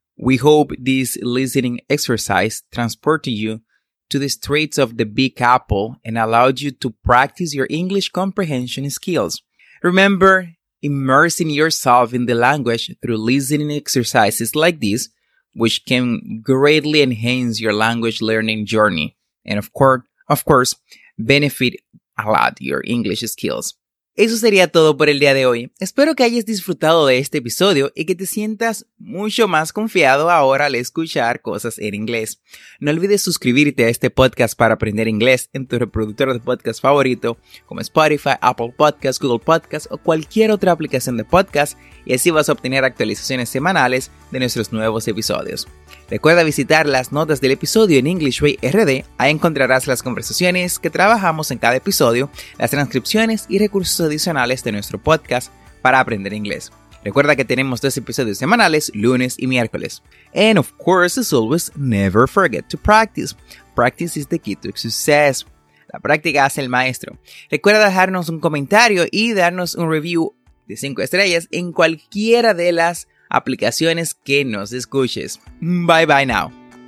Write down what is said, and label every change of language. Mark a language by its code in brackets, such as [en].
[en] We hope this listening exercise transported you to the streets of the Big Apple and allowed you to practice your English comprehension skills. Remember, immersing yourself in the language through listening exercises like this, which can greatly enhance your language learning journey, and of course, benefit a lot your English skills. [es] Eso sería todo por el día de hoy. Espero que hayas disfrutado de este episodio y que te sientas mucho más confiado ahora al escuchar cosas en inglés. No olvides suscribirte a este podcast para aprender inglés en tu reproductor de podcast favorito, como Spotify, Apple Podcasts, Google Podcasts o cualquier otra aplicación de podcast, y así vas a obtener actualizaciones semanales de nuestros nuevos episodios. Recuerda visitar las notas del episodio en EnglishWay RD. Ahí encontrarás las conversaciones que trabajamos en cada episodio, las transcripciones y recursos adicionales de nuestro podcast para aprender inglés. Recuerda que tenemos dos episodios semanales, lunes y miércoles. [en] And of course, as always, never forget to practice. Practice is the key to success. [es] La práctica hace el maestro. Recuerda dejarnos un comentario y darnos un review de 5 estrellas en cualquiera de las aplicaciones que nos escuches. [en] Bye bye now.